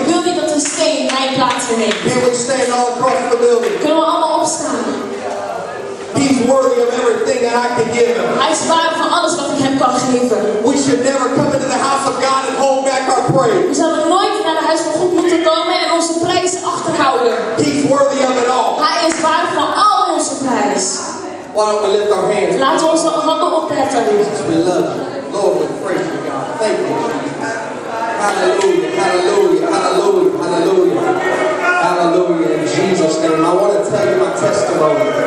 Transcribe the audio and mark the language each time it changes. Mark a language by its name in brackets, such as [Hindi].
[Dutch] Ik wil niet dat een steen mijn plaats neemt. [English] Can we stand all across the building? [Dutch] Kunnen we allemaal opstaan? [English] He's worthy of everything that I can give him. [Dutch] Hij is waardig van alles wat ik hem kan geven. [English] We should never come into the house of God and hold back our praise. [Dutch] We zouden nooit naar het huis van God moeten komen en onze prijs achterhouden. [English] He's worthy of it all. [Dutch] Hij is waardig van al onze prijs. [English] Why don't we lift our hands? [Dutch] Laten we onze handen opheffen. [English] Jesus, we love you. Lord, we praise you, God. Thank you, Jesus. Hallelujah, hallelujah, hallelujah, hallelujah. Hallelujah, in Jesus' name. I want to tell you my testimony.